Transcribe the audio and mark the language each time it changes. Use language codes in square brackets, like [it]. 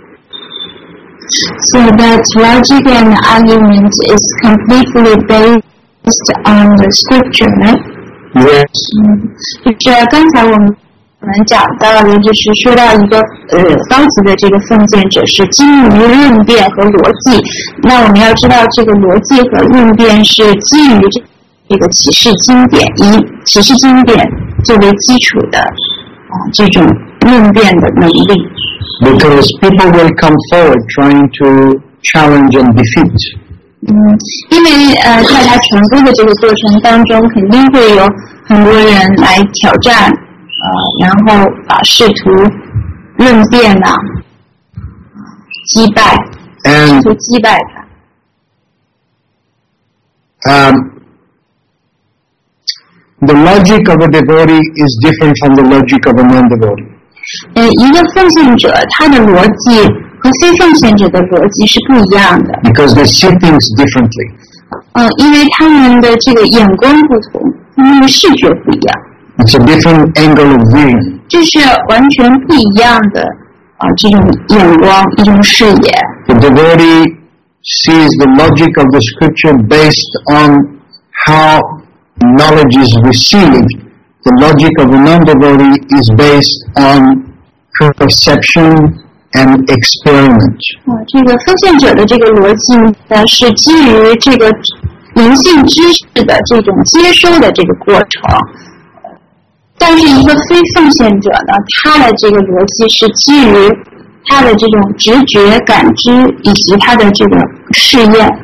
[en] So that logic and argument is completely based on the scripture, right? Yes. [zh] 就是刚才我们讲到的，就是说到一个高级的这个奉献者是基于论辩和逻辑。那我们要知道，这个逻辑和论辩是基于这个启示经典，以启示经典作为基础的、这种论辩的能力。 [en] Because people will come forward trying to challenge and defeat. [zh] 嗯，因为在他传播的这个过程当中，肯定会有很多人来挑战，然后试图论辩呐、击败， [en] and, [zh] 试图击败他。 [en] The logic of a devotee is different from the logic of a non-devotee. [zh] 一个奉献者他的逻辑和非奉献者的逻辑是不一样的。 [en] Because they see things differently. [zh] 因为他们的这个眼光不同，他们的视觉不一样。 [en] It's a different angle of view. [zh] 这是完全不一样的这种眼光，一种视野。 [en] The devotee sees the logic of the scripture based on how knowledge is received. The logic of a non-devotee is based on perception and experiment. [zh] 这个奉献者的这个逻辑是基于这个灵性知识的这种接收的这个过程。但是一个非奉献者呢，他的这个逻辑是基于他的这种直觉感知以及他的这个试验。